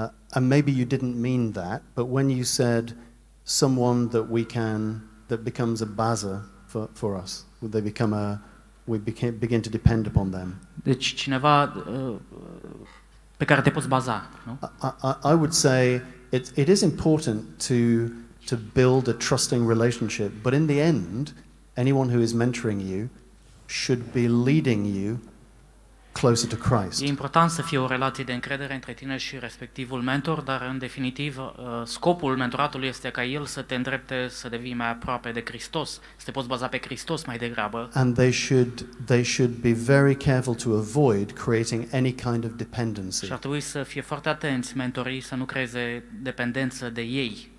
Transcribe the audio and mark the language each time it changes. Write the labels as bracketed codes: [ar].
[en] And maybe you didn't mean that, but when you said someone that we can, that becomes a bază for us, would they become a, we begin to depend upon them. [ro] Deci cineva pe care te poți baza, nu? [en] I would say it is important to build a trusting relationship, but in the end, anyone who is mentoring you should be leading you closer to Christ. [ro] E important să fie o relație de încredere între tine și respectivul mentor, dar în definitiv scopul mentoratului este ca el să te îndrepte să devii mai aproape de Hristos, să te poți baza pe Hristos mai degrabă. [en] And they should be very careful to avoid creating any kind of dependency. [ro] Și ar trebui să fie foarte atenți mentorii să nu creeze dependență de ei.